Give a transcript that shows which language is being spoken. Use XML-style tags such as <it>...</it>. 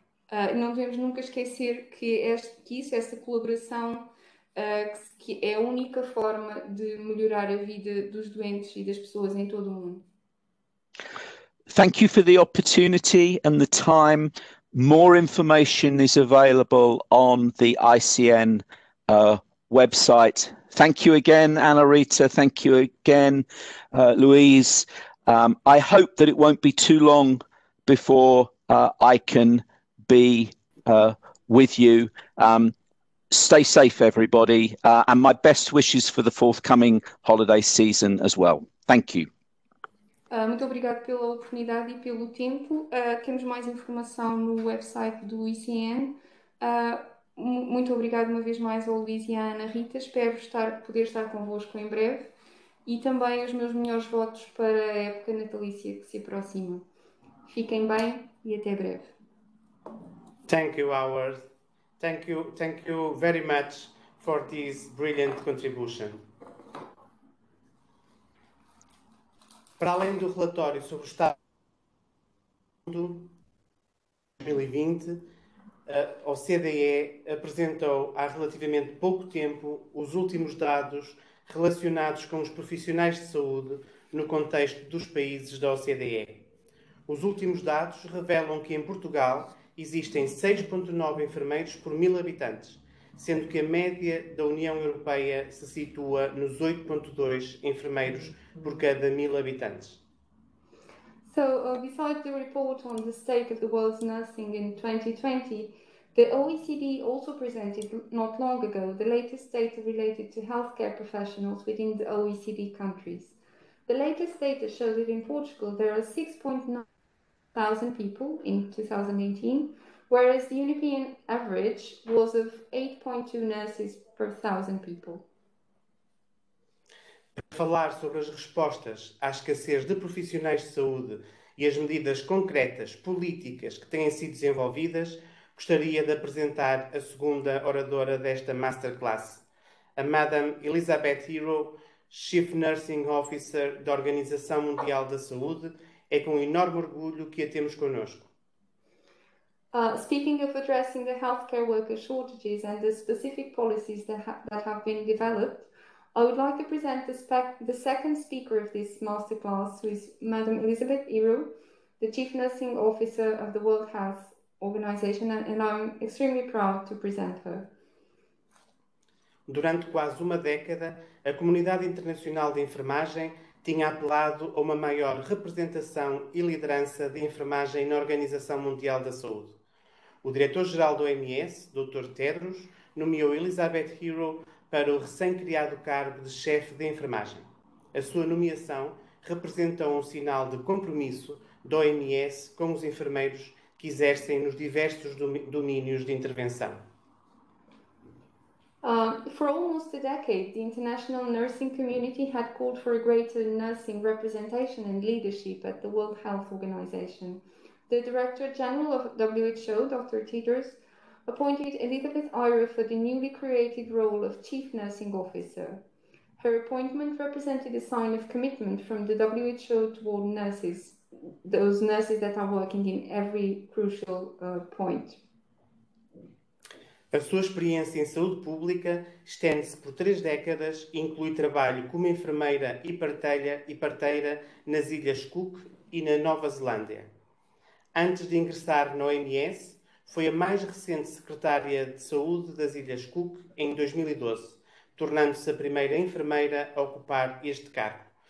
<pt>Não devemos nunca esquecer que isso, essa colaboração, que é a única forma de melhorar a vida dos doentes e das pessoas em todo o mundo.</pt> <en>Thank you for the opportunity and the time. More information is available on the ICN website. Thank you again, Anna Rita. Thank you again, Louise. I hope that it won't be too long before I can be with you. Stay safe, everybody, and my best wishes for the forthcoming holiday season as well. Thank you.</en> <pt>Muito obrigada pela oportunidade e pelo tempo. Temos mais informação no website do ICN. Muito obrigada uma vez mais ao Luís e à Ana Rita. Espero poder estar convosco em breve. E também os meus melhores votos para a época natalícia que se aproxima. Fiquem bem e até breve.</pt> <en>Thank you, Howard. Thank you very much for this brilliant contribution.</en> <pt>Para além do relatório sobre o estado do mundo 2020, OCDE apresentou há relativamente pouco tempo os últimos dados relacionados com os profissionais de saúde no contexto dos países da OCDE. Os últimos dados revelam que em Portugal existem 6,9 enfermeiros por 1.000 habitantes, sendo que a média da União Europeia se situa nos 8,2 enfermeiros por cada 1.000 habitantes.</pt> <en>So, besides the report on the state of the world's nursing in 2020, the OECD also presented not long ago the latest data related to healthcare professionals within the OECD countries. The latest data show that in Portugal there are 6,900 people in 2018, whereas the European average was of 8,2 nurses per 1,000 people.</en> <pt>Falar sobre as respostas à escassez de profissionais de saúde e as medidas concretas, políticas que têm sido desenvolvidas, gostaria de apresentar a segunda oradora desta masterclass, a Madame Elizabeth Hero, Chief Nursing Officer da Organização Mundial da Saúde. É com enorme orgulho que a temos connosco.</pt> <en>Speaking of addressing the healthcare worker shortages and the specific policies that have been developed, I would like to present the second speaker of this masterclass, who is Madam Elizabeth Hero, the Chief Nursing Officer of the World Health Organization, and I'm extremely proud to present her.</en> <pt>Durante quase uma década, a comunidade internacional de enfermagem tinha apelado a uma maior representação e liderança de enfermagem na Organização Mundial da Saúde. O diretor-geral do OMS, Dr. Tedros, nomeou Elizabeth Hero para o recém-criado cargo de chefe de enfermagem. A sua nomeação representa um sinal de compromisso do OMS com os enfermeiros que exercem nos diversos domínios de intervenção.</pt> <en>For almost a decade, the international nursing community had called for a greater nursing representation and leadership at the World Health Organization. The Director General of WHO, Dr. Tedros, appointed Elizabeth Hero for the newly created role of Chief Nursing Officer. Her appointment represented a sign of commitment from the WHO toward nurses, those nurses that are working in every crucial point.</en> <pt>A sua experiência em saúde pública estende-se por 3 décadas e inclui trabalho como enfermeira e parteira nas Ilhas Cook e na Nova Zelândia. Antes de ingressar na OMS, foi a mais recente secretária de saúde das Ilhas Cook em 2012, tornando-se a primeira enfermeira a ocupar este cargo.</pt>